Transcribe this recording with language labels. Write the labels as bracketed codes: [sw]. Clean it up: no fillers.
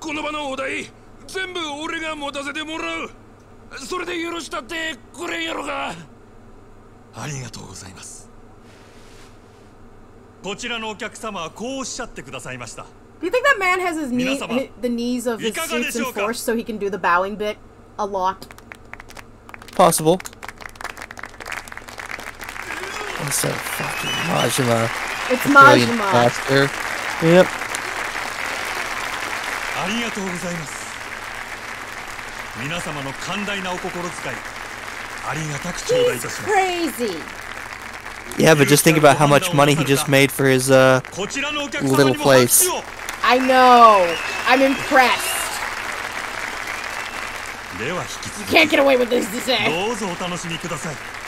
[ja] わかった皆さんがそれでええ言うてくれるんならこの場のお題全部俺が持たせてもらう それでよろしたってくれんやろかありがとうございます こちらのお客様はこうおっしゃってくださいました [en] Do you think that man has his knee, the knees of his suits enforced so he can do the bowing bit a lot? Possible. That's a fucking Majima. It's Majima. Master. Yep. [ja] ありがとうございます 皆様の寛大なお心遣い [en] He's crazy! Yeah, but just think about how much money he just made for his, little place. I know! I'm impressed! You can't get away with this, Zizek!